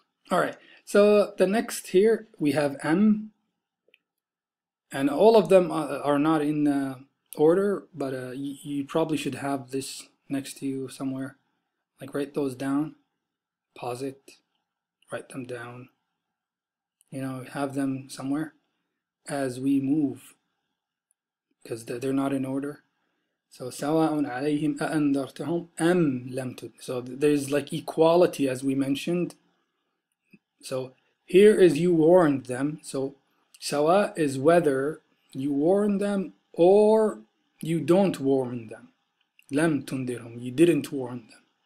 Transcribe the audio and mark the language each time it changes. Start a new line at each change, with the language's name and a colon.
English: All right, so the next here we have M, and all of them are not in order, but you probably should have this next to you somewhere. Like, write those down, pause it, write them down, have them somewhere as we move, because they're not in order.
Arabic: So سواء عليهم أأنذرتهم أم لم تنذر.
English: So there's like equality, as we mentioned. So here is you warned them. So سواء is whether you warn them or you don't warn them.
Arabic: لم تنذرهم,
English: you didn't warn them.